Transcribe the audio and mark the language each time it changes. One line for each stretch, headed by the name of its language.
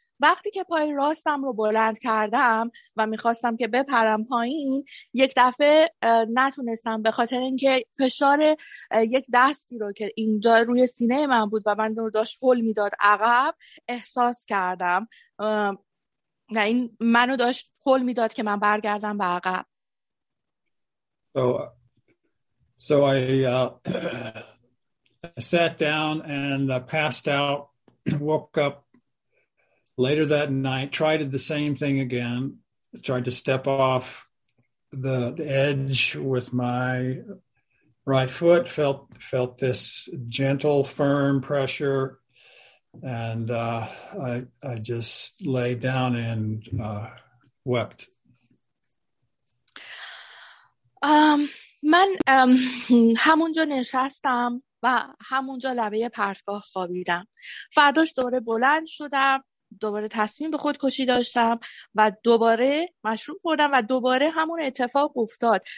Persian: وقتی که پای راستم رو بلند کردم و میخواستم که بپرم پایین، یک دفعه نتونستم، به خاطر اینکه فشار یک دستی رو که اینجا روی سینه من بود و من رو داشت هل میداد عقب احساس کردم و این منو داشت هل میداد که من برگردم به عقب.
English: So I sat down and passed out, woke up later that night, tried the same thing again, tried to step off the edge with my right foot, felt this gentle, firm pressure, and I just lay down and wept.
Persian: من همونجا نشستم و همونجا لبه پرتگاه خوابیدم. فرداش دوباره بلند شدم، دوباره تصمیم به خودکشی داشتم و دوباره مشروب خوردم و دوباره همون اتفاق افتاد.